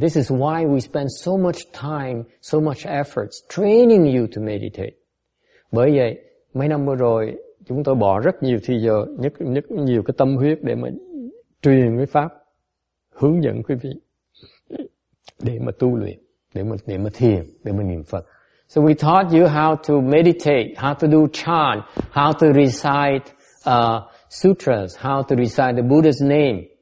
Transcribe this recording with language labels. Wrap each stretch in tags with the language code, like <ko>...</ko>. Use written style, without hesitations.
<en>This is why we spend so much time, so much efforts training you to meditate.</en> <vi>Bởi vậy, mấy năm vừa rồi, chúng tôi bỏ rất nhiều thời giờ, nhất nhiều cái tâm huyết để mà truyền cái pháp, hướng dẫn quý vị để mà tu luyện, để mà thiền, để mà niệm Phật.</vi> <en>So we taught you how to meditate, how to do chant, how to recite sutras, how to recite the Buddha's name.</en>